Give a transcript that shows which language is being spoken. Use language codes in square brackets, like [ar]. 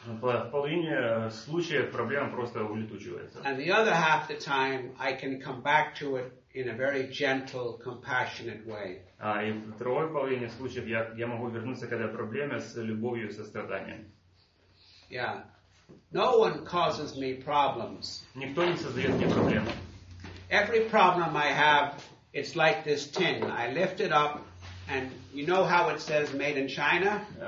[ru] В половине случаев проблема просто улетучивается. [en] And the other half the time I can come back to it in a very gentle, compassionate way. [ru] И в другой половине случаев я могу вернуться к этой проблеме с любовью и состраданием. [en] Yeah. No one causes me problems. [ru] Никто не создает мне проблем. [en] Every problem I have, it's like this tin. I lift it up. And you know how it says made in China?